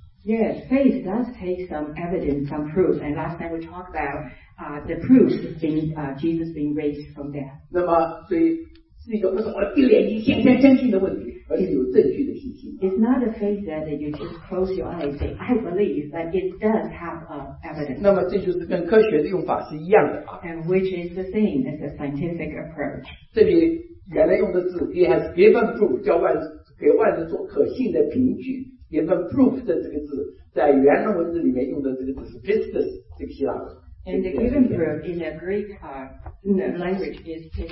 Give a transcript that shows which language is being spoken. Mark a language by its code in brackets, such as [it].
[en] Yes, faith does take some evidence, some proof. And last time we talked about the proof of being Jesus being raised from death. [zh] 那么，所以是一个不是我一脸一线一线相信的问题，而是有证据的信心。 [en] It's not a faith that you just close your eyes and say I believe, but it does have evidence. [zh] 那么这就是跟科学的用法是一样的啊。And [en] which is the same as the scientific approach. [zh] 这里原来用的字 [en] he has given proof [zh] 叫万给万人做可信的凭据。 Given proof 的这个字，在原文字里面用的这个字是 pistis 这个希腊文。And [en] the given proof in a Greek language is